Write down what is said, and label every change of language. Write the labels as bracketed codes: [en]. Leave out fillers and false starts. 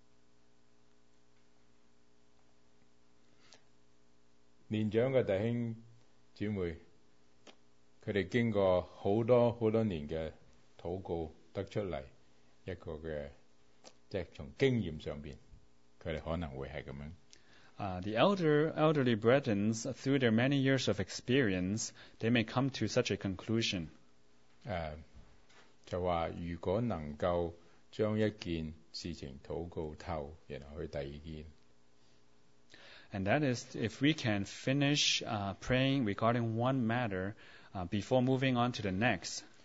[en] The elderly brethren, through their many years of experience, they may come to such a conclusion. [yue] 就話, 如果能夠將一件事情禱告透, 然後去第二件, [en] and that is, if we can finish praying regarding one matter before moving on to the next.